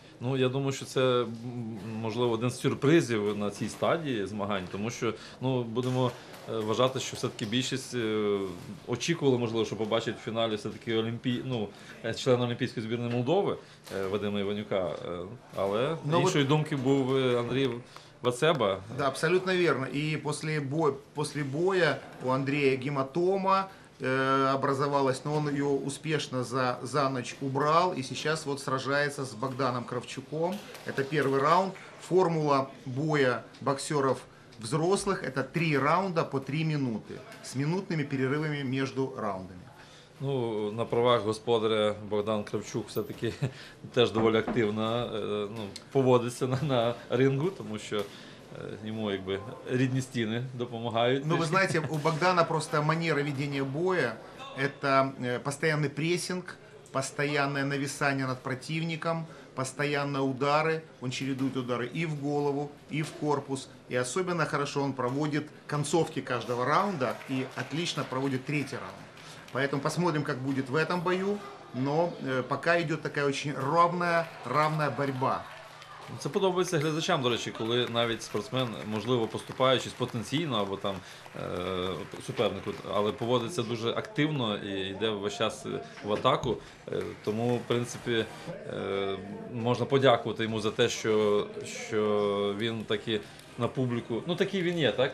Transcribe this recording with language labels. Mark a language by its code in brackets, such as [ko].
[uk] Ну, я думаю, що це, можливо, один з сюрпризів на цій стадії змагань, тому що, ну, будемо вважати, що все-таки більшість очікувала, можливо, що побачить в фіналі все-таки члена Олімпійської збірної Молдови Вадима Іванюка, але іншої думки був Андрій Вацеба. Да, абсолютно вірно. І після бою у Андрія [ru] гематома образовалась, но он ее успешно за ночь убрал и сейчас вот сражается с Богданом Кравчуком. Это первый раунд. Формула боя боксеров взрослых – это 3 раунда по 3 минуты с минутными перерывами между раундами. [uk] Ну, на правах господаря Богдан Кравчук все-таки теж доволі активно поводиться на рингу, тому що [ru] ему как бы [uk] рідні стіни допомагають. [ru] Ну, вы знаете, у Богдана просто манера ведения боя – это постоянный прессинг, постоянное нависание над противником, постоянные удары. Он чередует удары и в голову, и в корпус. И особенно хорошо он проводит концовки каждого раунда и отлично проводит третий раунд. Поэтому посмотрим, как будет в этом бою. Но пока идет такая очень равная борьба. [uk] Це подобається глядачам, до речі, коли навіть спортсмен, можливо, поступаючись потенційно або там супернику, але поводиться дуже активно і йде весь час в атаку. Тому, в принципі, можна подякувати йому за те, що він таки на публіку. Ну, такий він є, так?